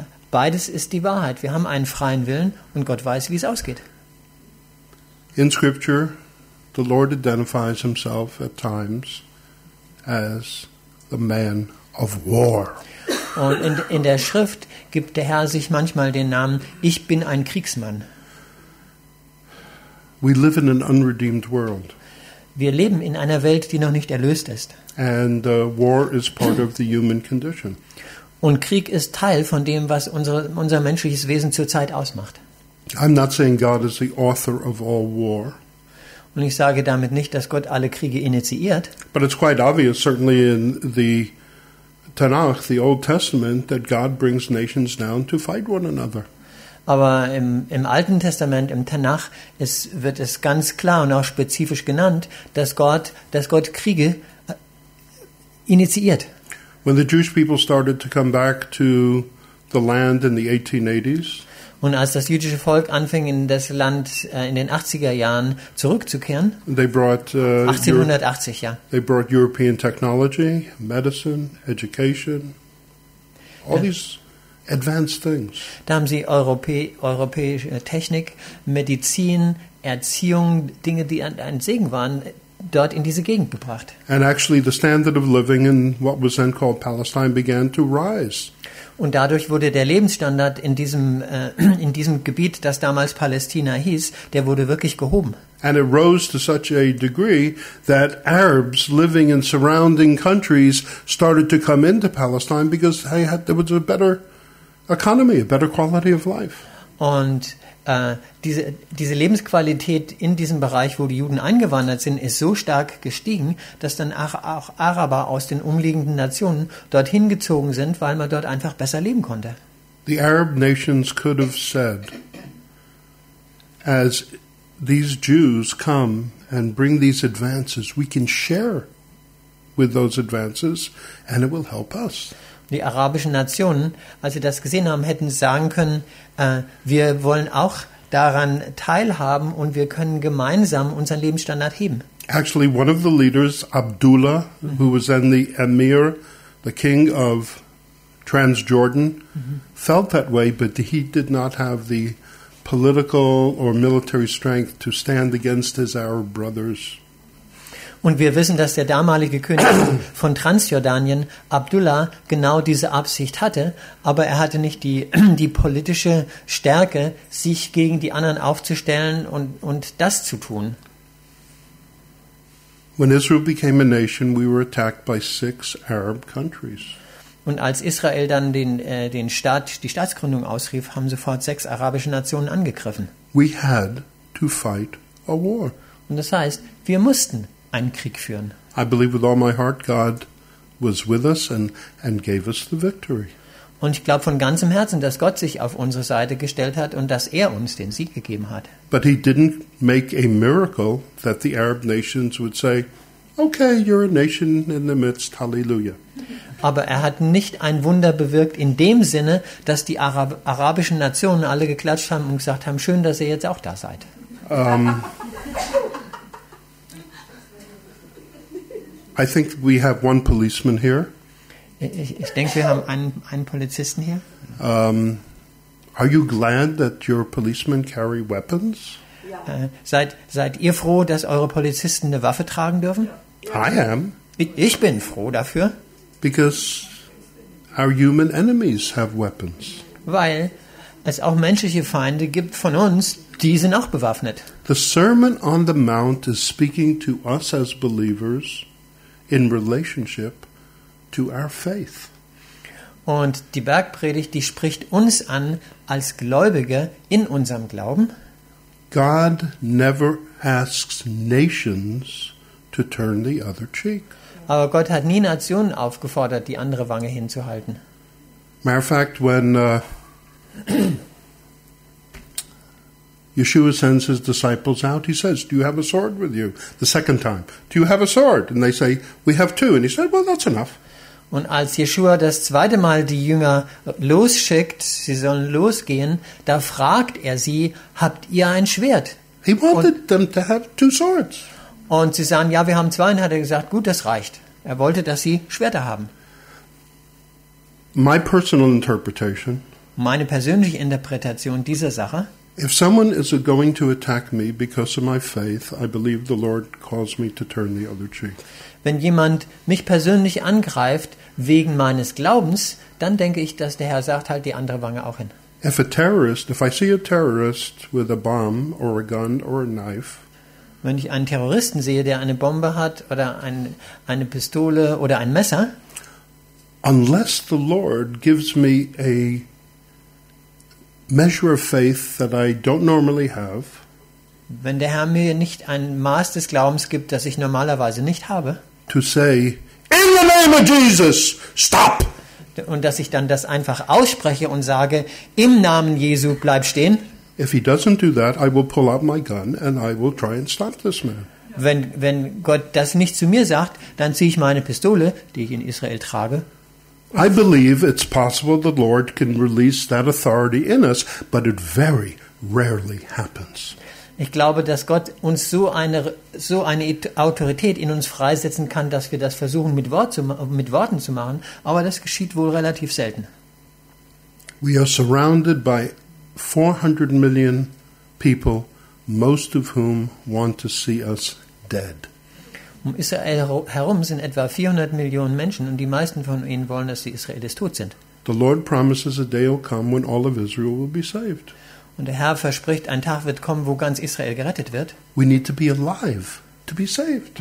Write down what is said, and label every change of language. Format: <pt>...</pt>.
<de>Beides ist die Wahrheit. Wir haben einen freien Willen und Gott weiß, wie es ausgeht.</de> <en>In Scripture, the Lord identifies himself at times as the man of war.</en> <de>Und in der Schrift gibt der Herr sich manchmal den Namen, ich bin ein Kriegsmann.</de> <en>We live in an unredeemed world.</en> <de>Wir leben in einer Welt, die noch nicht erlöst ist.</de> <en>And war is part of the human condition.</en> <de>Und Krieg ist Teil von dem, was unser menschliches Wesen zurzeit ausmacht.</de> <en>I'm not saying God is the author of all war.</en> <de>Und ich sage damit nicht, dass Gott alle Kriege initiiert.</de> <en>But it's quite obvious, certainly in the Tanakh, the Old Testament, that God brings nations down to fight one another.</en> <de>Aber im Alten Testament, im Tanach, wird es ganz klar und auch spezifisch genannt, dass Gott Kriege initiiert.</de> <en>When the Jewish people started to come back to the land in the 1880s,</en> <de>und als das jüdische Volk anfing, in das Land in den 80er Jahren zurückzukehren,</de> <en>they brought,</en> <de>1880, ja.</de> <en>They brought European technology, medicine, education, all these advanced things.</en> <de>Da haben sie europäische Technik, Medizin, Erziehung, Dinge, die ein Segen waren, dort in diese Gegend gebracht.</de> <en>And actually the standard of living in what was then called Palestine began to rise.</en> <de>Und dadurch wurde der Lebensstandard in diesem Gebiet, das damals Palästina hieß, der wurde wirklich gehoben.</de> <en>And it rose to such a degree that Arabs living in surrounding countries started to come into Palestine because there was a better economy, a better quality of life.</en> <de>Und diese Lebensqualität in diesem Bereich, wo die Juden eingewandert sind, ist so stark gestiegen, dass dann auch Araber aus den umliegenden Nationen dorthin gezogen sind, weil man dort einfach besser leben konnte.</de> <en>The Arab nations could have said, as these Jews come and bring these advances, we can share with those advances and it will help us.</en> <de>Die arabischen Nationen, als sie das gesehen haben, hätten sagen können, wir wollen auch daran teilhaben und wir können gemeinsam unseren Lebensstandard heben.</de> <en>Actually, one of the leaders, Abdullah, who was then the emir, the king of Transjordan, felt that way, but he did not have the political or military strength to stand against his Arab brothers.</en> <de>Und wir wissen, dass der damalige König von Transjordanien, Abdullah, genau diese Absicht hatte, aber er hatte nicht die politische Stärke, sich gegen die anderen aufzustellen und das zu tun.</de> <en>When Israel became a nation, we were attacked by 6 Arab countries.</en> <de>Und als Israel dann die Staatsgründung ausrief, haben sofort 6 arabische Nationen angegriffen.</de> <en>We had to fight a war.</en> <de>Und das heißt, wir mussten einen Krieg führen.</de> <en>I believe with all my heart God was with us and gave us the victory.</en> <de>Und ich glaube von ganzem Herzen, dass Gott sich auf unsere Seite gestellt hat und dass er uns den Sieg gegeben hat.</de> <en>But he didn't make a miracle that the Arab nations would say, okay, you're a nation in the midst, hallelujah.</en> <de>Aber er hat nicht ein Wunder bewirkt in dem Sinne, dass die arabischen Nationen alle geklatscht haben und gesagt haben, schön, dass ihr jetzt auch da seid.</de> <en>I think we have one policeman here.</en> <de>Ich denke, wir haben einen Polizisten hier.</de> <en>Are you glad that your policemen carry weapons? Yeah.</en> <de>Seid ihr froh, dass eure Polizisten eine Waffe tragen dürfen?</de> <en>I am.</en> <de>Ich bin froh dafür.</de> <en>Because our human enemies have weapons.</en> <de>Weil es auch menschliche Feinde gibt von uns, die sind auch bewaffnet.</de> <en>The Sermon on the Mount is speaking to us as believers in relationship to our faith.</en> <de>Und die Bergpredigt, die spricht uns an als Gläubige in unserem Glauben.</de> <en>God never asks nations to turn the other cheek.</en> <de>Aber Gott hat nie Nationen aufgefordert, die andere Wange hinzuhalten.</de> <en>Matter of fact, when Yeshua sends his disciples out. He says, do you have a sword with you? The second time. Do you have a sword? And they say, we have two. And he said, well, that's enough.</en> <de>Und als Yeshua das zweite Mal die Jünger losschickt, sie sollen losgehen, da fragt er sie, habt ihr ein Schwert?</de> <en>He wanted them to have two swords.</en> <de>Und sie sagen, ja, wir haben zwei. Und hat er gesagt, gut, das reicht. Er wollte, dass sie Schwerter haben.</de> <en>My personal interpretation.</en> <de>Meine persönliche Interpretation dieser Sache.</de> <en>If someone is going to attack me because of my faith, I believe the Lord calls me to turn the other cheek.</en> <de>Wenn jemand mich persönlich angreift wegen meines Glaubens, dann denke ich, dass der Herr sagt, halt die andere Wange auch hin.</de> <en>If I see a terrorist with a bomb or a gun or a knife,</en> <de>wenn ich einen Terroristen sehe, der eine Bombe hat oder eine Pistole oder ein Messer,</de> <en>unless the Lord gives me a measure of faith that I don't normally have,</en> <de>Wenn der Herr mir nicht ein Maß des Glaubens gibt, das ich normalerweise nicht habe.</de> <en>To say, in the name of Jesus, stop!</en> <de>Und dass ich dann das einfach ausspreche und sage, im Namen Jesu, bleib stehen.</de> <en>If he doesn't do that, I will pull out my gun and I will try and stop this man.</en> <de>Wenn Gott das nicht zu mir sagt, dann ziehe ich meine Pistole, die ich in Israel trage.</de> <en>I believe it's possible the Lord can release that authority in us, but it very rarely happens.</en> <de>Ich glaube, dass Gott uns so eine Autorität in uns freisetzen kann, dass wir das versuchen mit Worten zu machen, aber das geschieht wohl relativ selten.</de> <en>We are surrounded by 400 million people, most of whom want to see us dead.</en> <de>Um Israel herum sind etwa 400 Millionen Menschen und die meisten von ihnen wollen, dass die Israelis tot sind.</de> <en>The Lord promises a day will come when all of Israel will be saved.</en> <de>Und der Herr verspricht, ein Tag wird kommen, wo ganz Israel gerettet wird.</de> <en>We need to be alive to be saved.</en>